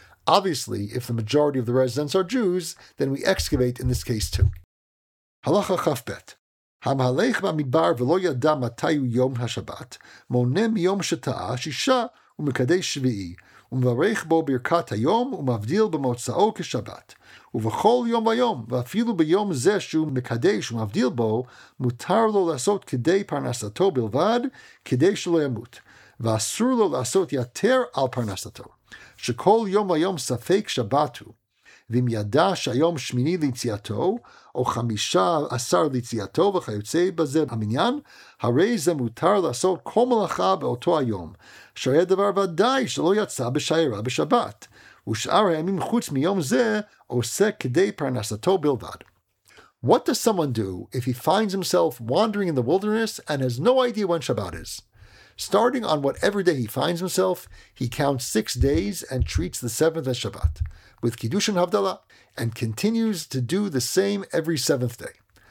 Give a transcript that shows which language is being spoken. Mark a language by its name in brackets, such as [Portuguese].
[English] Obviously, if the majority of the residents are Jews, then we excavate in this case too. [Hebrew] Halacha chafbet. Hamhalech b'amidbar v'lo yada matayu yom ha-shabbat, monem yom sheta'a shisha, ומקדש שביעי, ומברך בו ברכת היום, ומבדיל במוצאו כשבת. ובכל יום ויום, ואפילו ביום זה שהוא מקדש ומבדיל בו, מותר לו לעשות כדי פרנסתו בלבד, כדי שלא ימות. ואסור לו לעשות יתר על פרנסתו. שכל יום ויום ספק שבת הוא. ואם ידע שהיום שמיני ליציאתו, או 15 ליציאתו וכיוצא בזה המניין, הרי זה מותר לעשות כל מלאכה באותו היום, שהרי הדבר ודאי שלא יצא בשיירה בשבת, ושאר הימים חוץ מיום זה עושה כדי פרנסתו בלבד. [English] What does someone do if he finds himself wandering in the wilderness and has no idea when Shabbat is? Starting on whatever day he finds himself, he counts 6 days and treats the seventh as Shabbat, with Kiddush and Havdalah, and continues to do the same every seventh day.